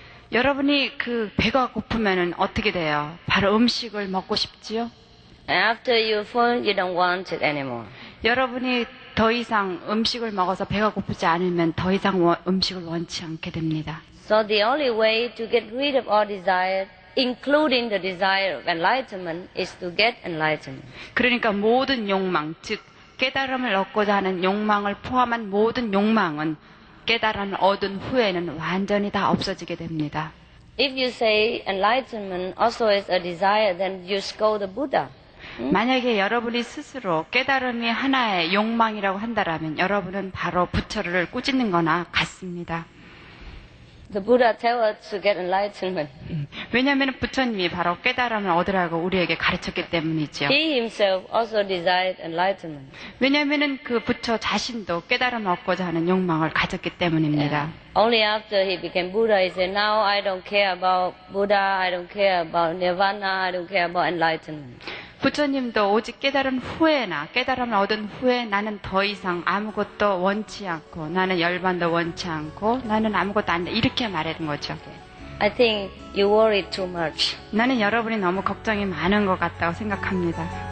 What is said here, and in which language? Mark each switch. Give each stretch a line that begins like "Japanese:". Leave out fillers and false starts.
Korean: 여러분이 그 배가 고프면은 어떻게 돼요? 바로 음식을 먹고 싶지요?
English: After you're full, you don't want it anymore.
Korean: 여러분이 더 이상 음식을 먹어서 배가 고프지 않으면 더 이상 음식을 원치 않게 됩니다.
English: So the only way to get rid of all desire, including the desire of enlightenment, is to get enlightened.
Korean: 그러니까 모든 욕망, 즉 깨달음을 얻고자 하는 욕망을 포함한 모든 욕망은 깨달음을 얻은 후에는 완전히 다 없어지게 됩니다.
English: If you say enlightenment also is a desire, then you scold the Buddha.
Korean: 만약에 여러분이 스스로 깨달음이 하나의 욕망이라고 한다라면 여러분은 바로 부처를 꾸짖는 거나 같습니다.
English: The Buddha tell us to get enlightenment.
Korean: 왜냐하면 부처님이 바로 깨달음을 얻으라고 우리에게 가르쳤기 때문이죠.
English: He himself also desired enlightenment.
Korean: 왜냐하면 그 부처 자신도 깨달음을 얻고자 하는 욕망을 가졌기 때문입니다.
English: Yeah. Only after he became Buddha, he said, "Now I don't care about Buddha. I don't care about Nirvana. I don't care about enlightenment."
Korean: 부처님도 오직 깨달은 후에나 깨달음을 얻은 후에 나는 더 이상 아무것도 원치 않고 나는 열반도 원치 않고 나는 아무것도 안 돼 이렇게 말했던 거죠.
English: I think you worry too much.
Korean: 나는 여러분이 너무 걱정이 많은 것 같다고 생각합니다.